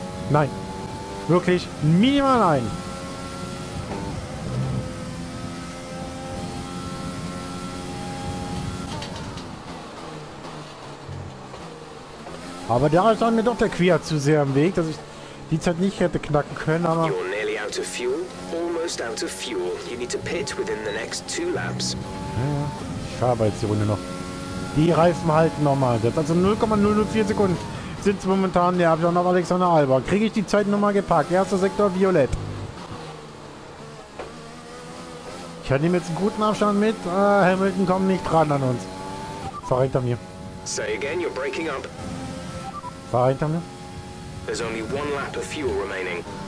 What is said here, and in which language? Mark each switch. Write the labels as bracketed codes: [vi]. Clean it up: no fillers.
[de] Nein. Wirklich minimal nein. Aber da stand mir doch der Kvyat zu sehr im Weg, dass ich die Zeit nicht hätte knacken können, aber... [en] You're nearly out of fuel. Almost out of fuel. You need to pit within the next two laps. [de] Ja, ja. Ich fahre aber jetzt die Runde noch. Die Reifen halten nochmal. Das hat also 0,004 Sekunden sitzt momentan, ja, habe ich auch noch Alexander Albon. Kriege ich die Zeitnummer gepackt? Erster Sektor, violett. Ich hatte ihm jetzt einen guten Abstand mit. Hamilton kommt nicht dran an uns. Fahr hinter mir. [en] Say again, you're breaking up. [de] Fahr hinter mir. [en] There's only one lap of fuel remaining.